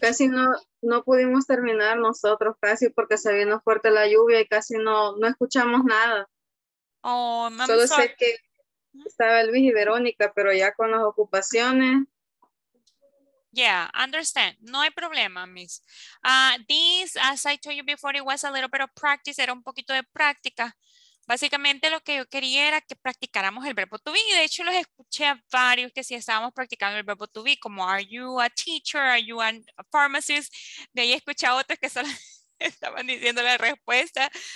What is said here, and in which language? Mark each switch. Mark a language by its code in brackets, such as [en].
[es] Casi no pudimos terminar nosotros casi porque se vino fuerte la lluvia y casi no escuchamos nada. Oh, mamá. Solo sé que estaba Luis y Verónica, pero ya con las ocupaciones. [en] Yeah, understand. [es] No hay problema, Miss. [en] This, as I told you before, it was a little bit of practice. [es] Era un poquito de práctica. Básicamente lo que yo quería era que practicáramos el verbo to be. De hecho, los escuché a varios que sí estábamos practicando el verbo to be, como [en] are you a teacher, are you a pharmacist. [es] De ahí escuché a otros que solo estaban diciendo la respuesta.